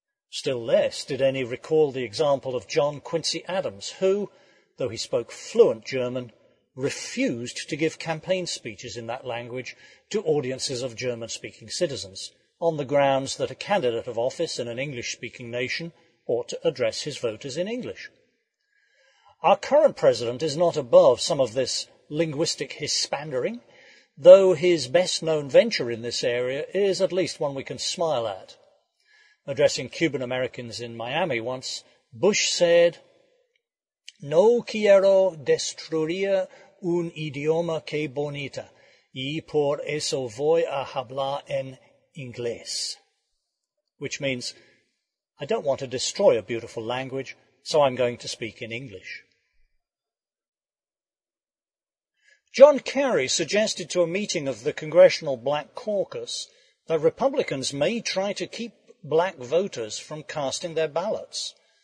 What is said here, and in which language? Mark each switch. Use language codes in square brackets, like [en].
[en] Still less did any recall the example of John Quincy Adams, who, though he spoke fluent German, refused to give campaign speeches in that language to audiences of German-speaking citizens, on the grounds that a candidate of office in an English-speaking nation ought to address his voters in English. Our current president is not above some of this linguistic hispandering, though his best-known venture in this area is at least one we can smile at. Addressing Cuban Americans in Miami once, Bush said, [es] No quiero destruir un idioma que bonita, y por eso voy a hablar en inglés. [en] Which means, I don't want to destroy a beautiful language, so I'm going to speak in English. John Kerry suggested to a meeting of the Congressional Black Caucus that Republicans may try to keep black voters from casting their ballots.